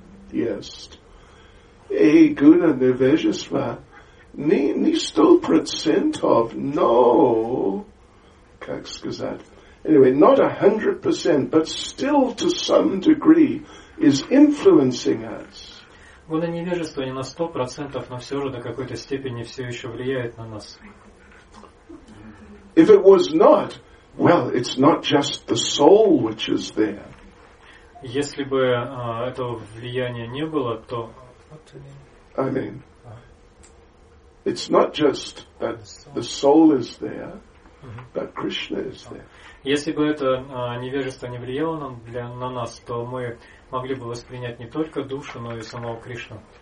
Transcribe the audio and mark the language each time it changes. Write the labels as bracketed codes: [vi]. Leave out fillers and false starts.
[ru] Есть. И гуна невежества не 100%, но, как сказать, [en] anyway, not 100%, but still to some degree is influencing us. [ru] Гуна невежества не на 100%, но все же до какой-то степени все еще влияет на нас. [en] If it was not, well, it's not just the soul which is there. [ru] Если бы этого влияния не было, то... [en] I mean, it's not just that the soul is there, but Krishna is there. [ru] Если бы это невежество не влияло на нас, то мы могли бы воспринять не только душу, но и самого Кришну.